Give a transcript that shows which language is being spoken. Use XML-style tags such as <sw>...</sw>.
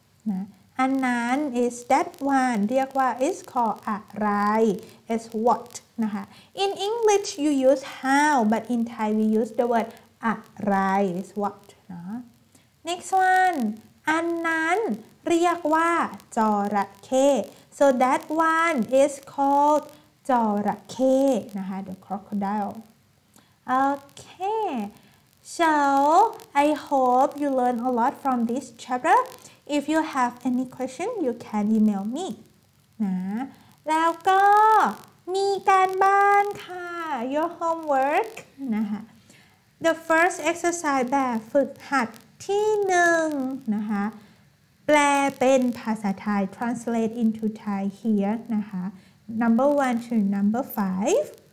<th>นะอันนั้น</th> <en>is that one</en> <th>เรียกว่า</th> <en>is called อะไร is what นะคะ in English you use how but in Thai we use the word อะไร is what นะ next one</en> <th>อันนั้นเรียกว่าจระเข้</th> <en>so that one is called จระเข้นะคะ the crocodileOkay, so I hope you learn a lot from this chapter. If you have any question, you can email me.</en> <th>นะแล้วก็มีการบ้านค่ะ</th> <en>your homework</en> <th>นะคะ</th> <en>the first exercise</en> <th>แบบฝึกหัดที่หนึ่งนะคะแปลเป็นภาษาไทย</th> <en>translate into Thai here</en> <th>นะคะ</th> <en>number one to number five</en>